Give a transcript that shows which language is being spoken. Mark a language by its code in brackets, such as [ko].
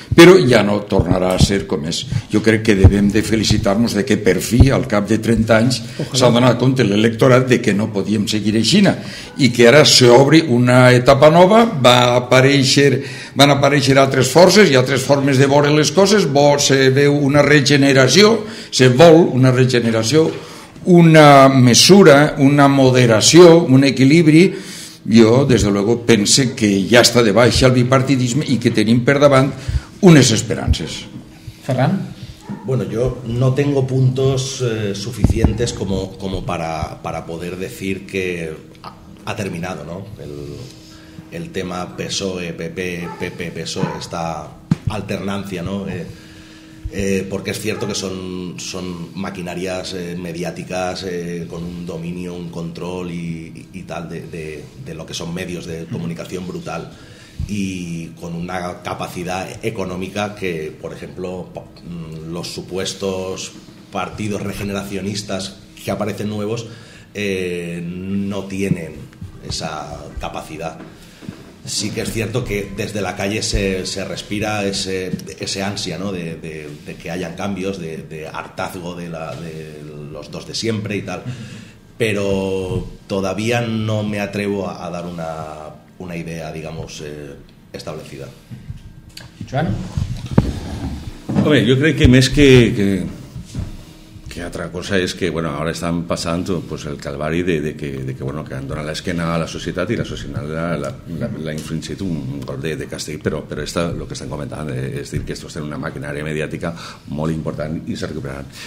[ca] Però ja no tornarà a ser com és. Jo crec que devem de felicitar-nos de que per fi, al cap de 30 anys, s'ha donat compte l'electorat de que no podíem seguir així i que ara s'obri una etapa nova, van aparèixer altres forces i altres formes de veure les coses, se veu una regeneració, se vol una regeneració, una mesura, una moderació, un equilibri. Jo, des de luego, pense que ja està de baixa el bipartidisme i que tenim per davant unes esperances. Ferran? [es] Bueno, yo no tengo puntos suficientes como para poder decir que ha terminado, ¿no? El tema PSOE, PP, PP, PSOE, esta alternancia, ¿no? Porque es cierto que son maquinarias mediáticas con un dominio, un control y tal de lo que son medios de comunicación brutal y con una capacidad económica que, por ejemplo, los supuestos partidos regeneracionistas que aparecen nuevos no tienen esa capacidad. Sí que es cierto que desde la calle se respira ese ansia, ¿no? de que hayan cambios, de hartazgo de los dos de siempre y tal, pero todavía no me atrevo a dar una idea, digamos, establecida. Joan? Hombre, yo creo que más que otra cosa es que, bueno, ahora están pasando pues [ca] el calvari de que bueno, que han donat la esquena a la societat i la societat la infringit un gol de castell, però esta, lo que estan comentant és dir que esto està en una maquinària mediàtica molt important i se recuperaran.